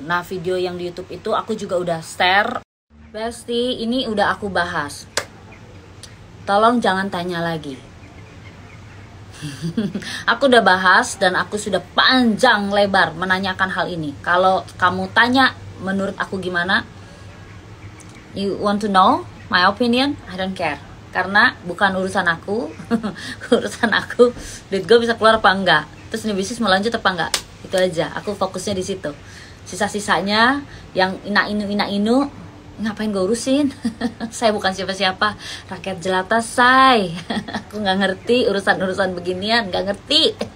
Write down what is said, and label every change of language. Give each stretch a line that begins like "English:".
Indonesian: Nah, video yang di YouTube itu aku juga udah share. Bestie, ini udah aku bahas. Tolong jangan tanya lagi. Aku udah bahas dan aku sudah panjang lebar menanyakan hal ini. Kalau kamu tanya menurut aku gimana?
English: You want to know my opinion? I don't care.
Indonesian: Karena bukan urusan aku. Urusan aku, duit gue bisa keluar apa enggak. Terus ini bisnis mau lanjut apa enggak. Itu aja, aku fokusnya di situ. Sisa-sisanya, yang ina-inu, ngapain gue urusin? Saya bukan siapa-siapa. Rakyat jelata, say. Aku gak ngerti urusan-urusan beginian, gak ngerti.